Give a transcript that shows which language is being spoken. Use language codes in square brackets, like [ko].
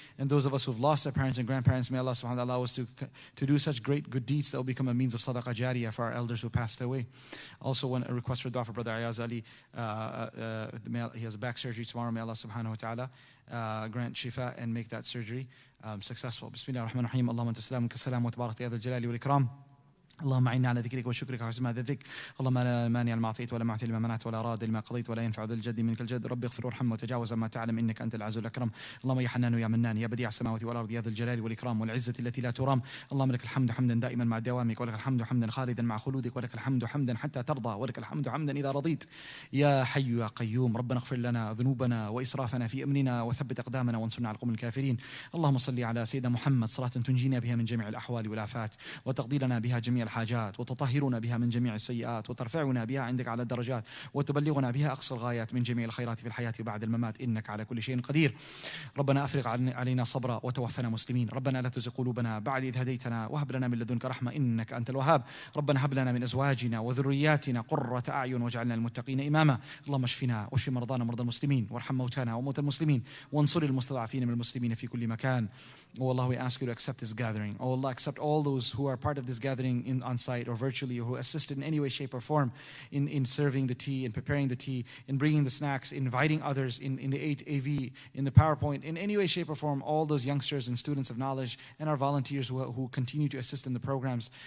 [en] And those of us who've lost our parents and grandparents, may Allah subhanahu wa ta'ala allow us to do such great good deeds that will become a means of sadaqah jariyah for our elders who passed away. Also, a request for dua for Brother Ayaz Ali. He has a back surgery tomorrow. May Allah subhanahu wa ta'ala grant shifa and make that surgery successful. [ar] Bismillah ar-Rahman ar-Rahim. Allahumma anta salam ka salam wa tabarakta ya dhal jalali wal ikram. اللهم عنا على ذكرك وشكرك وحسن عبادتك اللهم لا مانع لما اعطيت ولا معطي لما منعت ولا راد لما قضيت ولا ينفع ذا الجد منك الجد ربي اغفر وارحم وتجاوز ما تعلم انك انت العزيز الاكرم اللهم يا حنان ويا منان يا بديع السماوات والارض يا ذا الجلال والاكرام والعزه التي لا ترام اللهم لك الحمد حمدا دائما مع دوامك ولك الحمد حمدا خالدا مع خلودك ولك الحمد حمدا حتى ترضى ولك الحمد حمدا اذا رضيت يا حي يا قيوم ربنا اغفر لنا ذنوبنا واسرافنا في امرنا وثبت اقدامنا وانصرنا على القوم الكافرين اللهم صل على سيدنا محمد صلاه تنجينا بها من جميع الاحوال والافات وتقضي لنا بها جميع الحاجات وتطهرنا بها من جميع السيئات وترفعنا بها عندك على الدرجات وتبلغنا بها أقصى الغايات من جميع الخيرات في الحياة وبعد الممات إنك على كل شيء قدير. ربنا أفرغ علينا صبرا وتوفنا مسلمين. ربنا لا تزغ قلوبنا بعد إذ هديتنا وهب لنا من لدنك رحمة إنك أنت الوهاب. ربنا هب لنا من أزواجنا وذرياتنا قرة أعين واجعلنا المتقين إماما. اللهم اشفنا واشف مرضانا ومرضى المسلمين وارحم موتانا وموتى المسلمين وانصر المستضعفين من المسلمين في كل مكان. [en] Oh Allah, we ask you to accept this gathering. Oh Allah, accept all those who are part of this gathering on site or virtually, or who assisted in any way, shape, or form in serving the tea, in preparing the tea, in bringing the snacks, inviting others in the 8AV, in the PowerPoint, in any way, shape, or form, all those youngsters and students of knowledge and our volunteers who continue to assist in the programs.